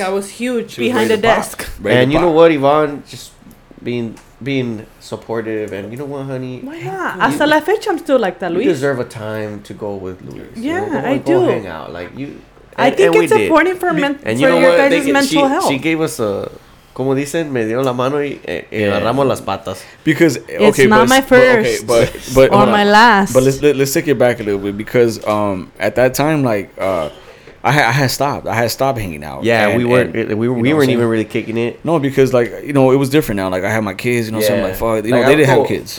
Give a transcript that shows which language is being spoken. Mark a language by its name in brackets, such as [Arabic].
[English] Like, I was huge behind a desk. And you know what, Yvonne? Just being supportive. And you know what, honey? Why not? [Spanish] Hasta la fecha, [English] I'm still like that, Luis. You deserve a time to go with Luis. Yeah, you know, I do. Go hang out. Like, you, I think it's important for your guys' mental health. She gave us a... [Spanish] Como dicen, me dio la mano y agarramos las patas. [English] Because it's not my first or my last. But let's take it back a little bit, because at that time, like, I had stopped hanging out. Yeah, we weren't even really kicking it. No, because, like, you know, it was different now. Like, I had my kids, you know, so I'm like, fuck, you know, they didn't have kids.